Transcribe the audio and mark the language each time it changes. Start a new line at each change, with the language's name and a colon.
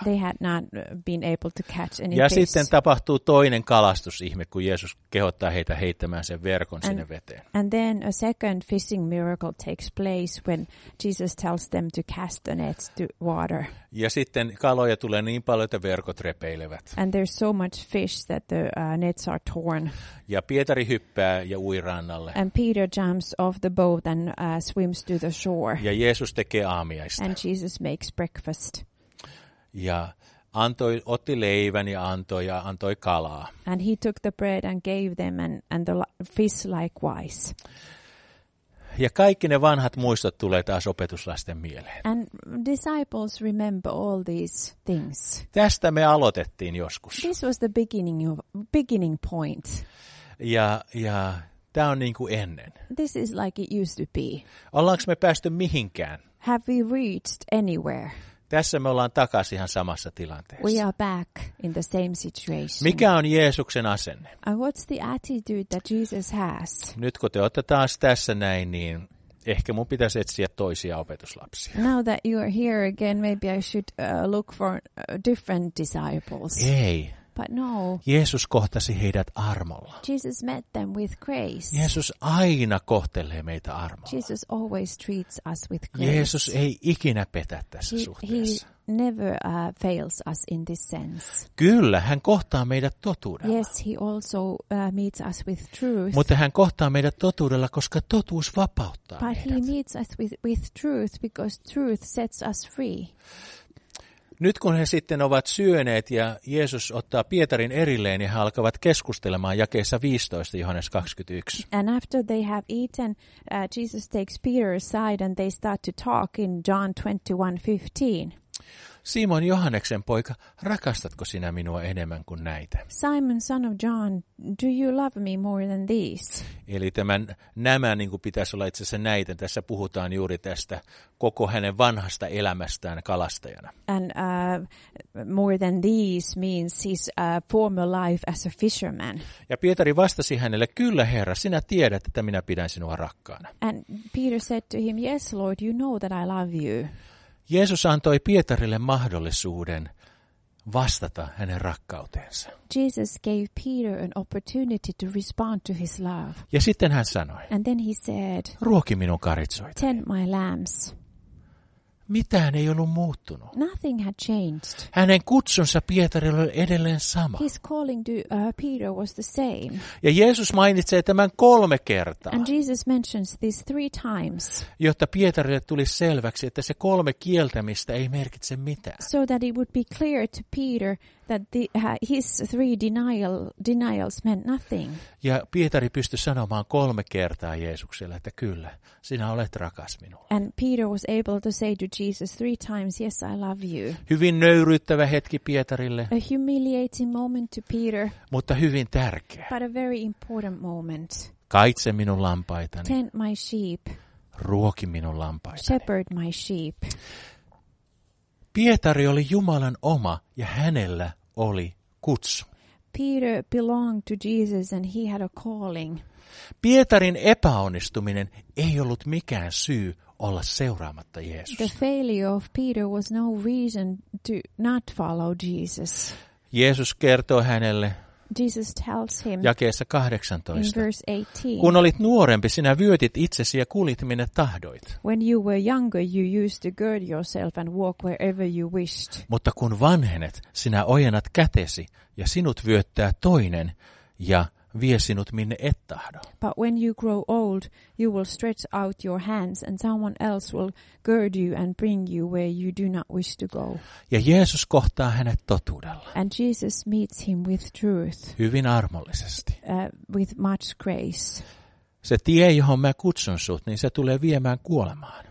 English: They had not been able to catch any
Finnish: ja
English: fish.
Finnish: Sitten tapahtuu toinen kalastusihme, kun Jeesus kehottaa heitä heittämään sen verkon sinne veteen.
English: And then a second fishing miracle takes place when Jesus tells them to cast the nets to water.
Finnish: Ja sitten kaloja tulee niin paljon, että verkot repeilevät.
English: And there's so much fish that the nets are torn.
Finnish: Ja Pietari hyppää ja ui rannalle.
English: And Peter jumps off the boat and swims to the shore.
Finnish: Ja Jeesus tekee aamiaista.
English: And Jesus makes breakfast.
Finnish: Ja antoi, otti leivän ja antoi kalaa.
English: And he took the bread and gave them and the fish likewise.
Finnish: Ja kaikki ne vanhat muistot tulee taas opetuslasten mieleen.
English: And disciples remember all these things.
Finnish: Tästä me aloitettiin joskus.
English: This was the beginning point.
Finnish: Ja tämä on niin kuin ennen.
English: This is like it used to be.
Finnish: Ollaanko me päästy mihinkään?
English: Have we reached anywhere?
Finnish: Tässä me ollaan takaisin ihan samassa tilanteessa.
English: We are back in the same situation.
Finnish: Mikä on Jeesuksen asenne?
English: And what's the attitude that Jesus has?
Finnish: Nyt kun te olette taas tässä näin, niin ehkä mun pitäisi etsiä toisia opetuslapsia.
English: Now that you are here again, maybe I should look for different disciples.
Finnish: Ei.
English: But no.
Finnish: Jeesus kohtasi heidät armolla.
English: Jesus met them with grace.
Finnish: Jeesus aina kohtelee meitä armolla.
English: Jesus always treats us with grace.
Finnish: Jeesus ei ikinä petä tässä suhteessa.
English: He never fails us in this sense.
Finnish: Kyllä, hän kohtaa meidät totuudella.
English: Yes, he also meets us with truth.
Finnish: Mutta hän kohtaa meidät totuudella, koska totuus vapauttaa meidät.
English: But he meets us with truth because truth sets us free.
Finnish: Nyt kun he sitten ovat syöneet ja Jeesus ottaa Pietarin erilleen ja he alkavat keskustelemaan jakeessa 15 Johannes 21.
English: And after they have eaten, Jesus takes Peter aside and they start to talk in John 21:15.
Finnish: Simon Johanneksen poika, rakastatko sinä minua enemmän kuin näitä?
English: Simon, son of John, do you love me more than these?
Finnish: Eli tämän, nämä niin kuin pitäisi olla itse asiassa näitä. Tässä puhutaan juuri tästä koko hänen vanhasta elämästään kalastajana.
English: And more than these means his former life as a fisherman.
Finnish: Ja Pietari vastasi hänelle, kyllä herra, sinä tiedät, että minä pidän sinua rakkaana.
English: And Peter said to him, yes Lord, you know that I love you.
Finnish: Jeesus antoi Pietarille mahdollisuuden vastata hänen rakkauteensa.
English: Jesus gave Peter an opportunity to respond to his love.
Finnish: Ja sitten hän sanoi.
English: And then he said.
Finnish: Ruoki minun karitsoitani.
English: Tend my lambs.
Finnish: Mitään ei ollut muuttunut.
English: Nothing had changed.
Finnish: Hänen kutsunsa Pietarille oli edelleen sama.
English: His calling to Peter was the same.
Finnish: Ja Jeesus mainitsee tämän kolme kertaa.
English: And Jesus mentions this three times.
Finnish: Jotta Pietarille tuli selväksi, että se kolme kieltämistä ei merkitse mitään.
English: So that it would be clear to Peter that his three denials meant nothing.
Finnish: Ja Pietari pystyi sanomaan kolme kertaa Jeesukselle, että kyllä, sinä olet rakas minulle.
English: And Peter was able to say to Jesus three times, yes, I love you.
Finnish: Hyvin nöyryyttävä hetki Pietarille.
English: A humiliating moment to Peter.
Finnish: Mutta hyvin tärkeä.
English: But a very important moment.
Finnish: Kaitse minun lampaitani.
English: Tend my sheep.
Finnish: Ruoki minun lampaitani.
English: Shepherd my sheep.
Finnish: Pietari oli Jumalan oma ja hänellä oli kutsu.
English: Peter belonged to Jesus and he had a calling.
Finnish: Pietarin epäonnistuminen ei ollut mikään syy olla seuraamatta Jeesusta.
English: The failure of Peter was no reason to not follow Jesus.
Finnish: Jeesus kertoo hänelle.
English: Jesus tells him.
Finnish: Jakeessa 18.
English: In verse 18.
Finnish: Kun olit nuorempi, sinä vyötit itsesi ja kulit minne tahdoit.
English: When you were younger, you used to gird yourself and walk wherever you wished.
Finnish: Mutta kun vanhenet, sinä ojennat kätesi ja sinut vyöttää toinen ja vie sinut minne et tahdo.
English: But when you grow old, you will stretch out your hands and someone else will gird you and bring you where you do not wish to go.
Finnish: Ja Jeesus kohtaa hänet totuudella.
English: And Jesus meets him with truth.
Finnish: Hyvin armollisesti.
English: With much grace.
Finnish: Se tie, johon mä kutsun sut, niin se tulee viemään kuolemaan.